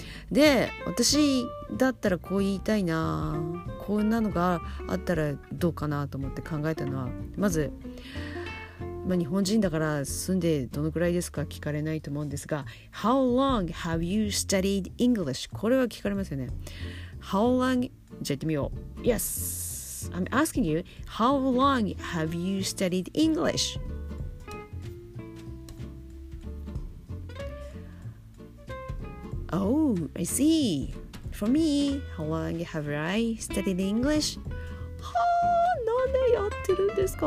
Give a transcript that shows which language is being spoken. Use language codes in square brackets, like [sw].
[ja] で私だったらこう言いたいな、こんなのがあったらどうかなと思って考えたのは、まず、日本人だから住んでどのくらいですか聞かれないと思うんですが、 [en] How long have you studied English? [ja] これは聞かれますよね。 [en] How long? [ja] じゃあ行ってみよう。 [en] Yes, I'm asking you How long have you studied English? Oh, I see. For me, how long have I studied English? [ja] はぁ、なんでやってるんですか?